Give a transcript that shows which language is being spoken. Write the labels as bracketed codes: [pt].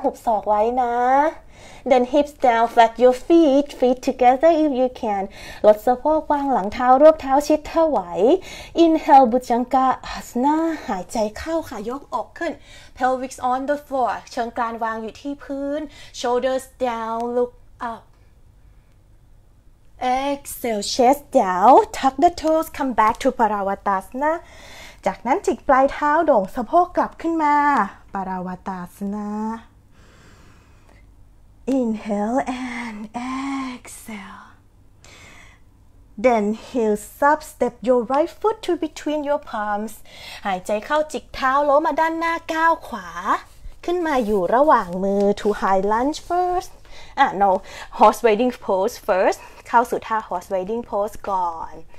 [th] หุบศอกไว้นะ [en] Then hips down, flat your feet together if you can. [th] ลดสะโพกวางหลังเท้ารวบเท้าชิดถ้าไหว [en] Inhale, Bhujanga Asana. [th] หายใจเข้าค่ะยกอกขึ้น [en] Pelvis on the floor. [th] เชิงกรานวางอยู่ที่พื้น [en] Shoulders down, look up. Exhale, chest down. Tuck the toes, come back to Parawatasana. [th] จากนั้นจิกปลายเท้าโด่งสะโพกกลับขึ้นมาปาราวาตาสนะ [en] Inhale and exhale Then heels up step your right foot to between your palms [th] หายใจเข้าจิกเท้าโล้มาด้านหน้าก้าวขวาขึ้นมาอยู่ระหว่างมือ [en] to high lunge firstno horse riding pose first [th] เข้าสู่ท่า horse riding pose ก่อน